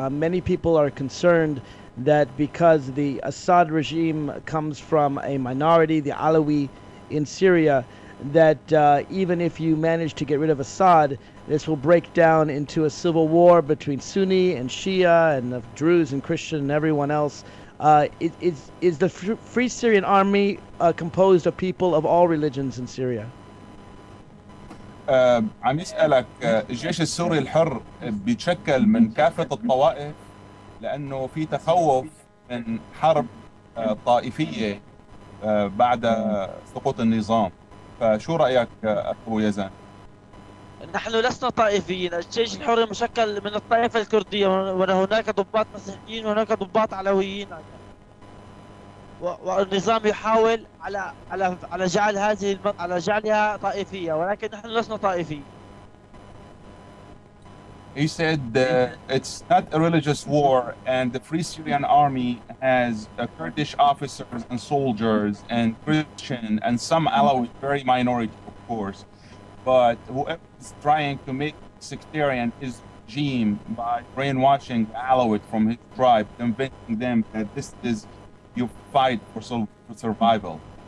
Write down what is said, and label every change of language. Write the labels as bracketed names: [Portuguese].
[English] Many people are concerned that because the Assad regime comes from a minority, the Alawi in Syria, that even if you manage to get rid of Assad, this will break down into a civil war between Sunni and Shia and the Druze and Christian and everyone else. Is the Free Syrian Army composed of people of all religions in Syria? [Arabic] عم يسألك الجيش السوري الحر بيتشكل من كافة الطوائف لأنه في تخوف من حرب طائفية بعد سقوط النظام فشو رأيك أبو يزن؟ نحن لسنا طائفيين الجيش الحر مشكل من الطائفة الكردية وهناك ضباط مسيحيين وهناك ضباط علويين والنظام يحاول على على على جعل هذه على جعلها طائفية، ولكن نحن لسنا طائفيين. [English] He said it's not a religious war, and the Free Syrian Army has Kurdish officers and soldiers and Christian and some Alawi, very minority, of course. But whoever is trying to make sectarian his regime by brainwashing Alawi from his tribe, convincing them that this is your fight for survival.